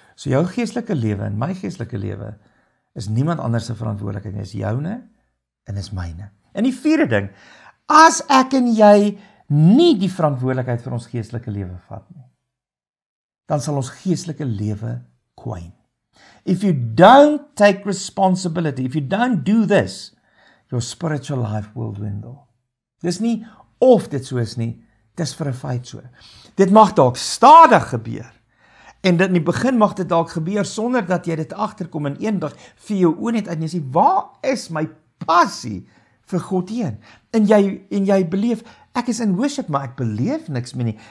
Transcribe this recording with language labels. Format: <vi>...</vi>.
<af>So jou geestelike lewe en my geestelike lewe is niemand anders se verantwoordelikheid nie, is joune en is myne. En die vierde ding, as ek en jy nie die verantwoordelikheid vir ons geestelike lewe vat nie, dan sal ons geestelike lewe kwyn.</af> <en>If you don't take responsibility, if you don't do this, your spiritual life will dwindle.</en> <af>Dis nie of dit so is nie, dis vir 'n feit so. Dit mag dalk stadig gebeur, en dit in die begin mag dit dalk gebeur, sonder dat jy dit agterkom in een dag, vir jou oë net uit, en jy sê, waar is my passie vir God heen? En jy beleef, ek is in worship, maar ek beleef niks meer nie.</af>